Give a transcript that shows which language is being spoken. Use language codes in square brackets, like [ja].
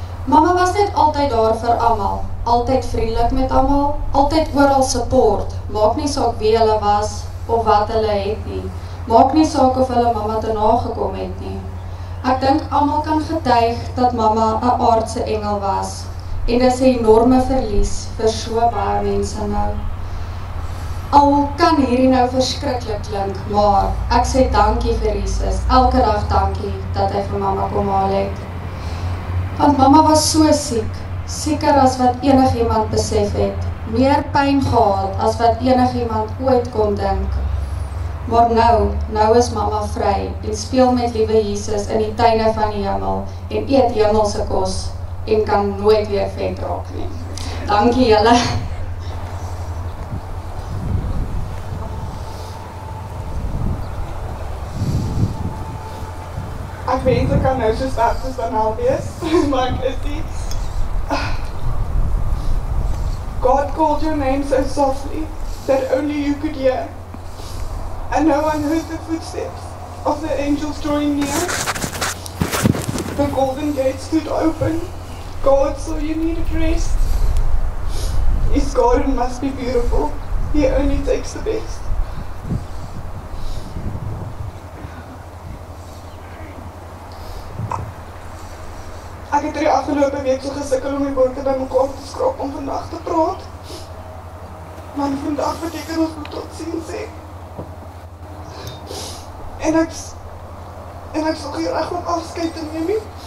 [af] Mama was net altyd daar vir almal. Altyd vriendelik met almal, altyd oral support, maak nie saak wie hulle was of wat hulle het nie, maak nie saak of hulle mama te nagekom het nie. Ek dink almal kan getuig dat mama 'n aardse engel was En dat is een enorme verlies voor so baie mense nou. Al kan hierdie nou verskriklik klink, maar ek sê dankie vir Jesus. Elke dag dankie dat hy vir mama kom haal het. Want mama was so siek, sieker as wat enig iemand besef het. Meer pijn gehad as wat enig iemand ooit kon dink. Maar nou is mama vry en speel met liewe Jesus in die tuine van die hemel en eet hemelse kos en kan nooit weer vet raak nie. Dankie julle. Ek weet, ek kan nou soos dat soos dan al wees, maar ek is die... [en] God called your name so softly that only you could hear. And no one heard the footsteps of the angels drawing near. The golden gate stood open. God saw you needed rest. His garden must be beautiful. He only takes the best. [af] Ek het die afgelopen week so gesikkel om die woorde by mekaar te skrap om vandag te praat. Want vandag beteken ons moet tot ziens sê. En ek sal geen recht om afskeid te neem nie.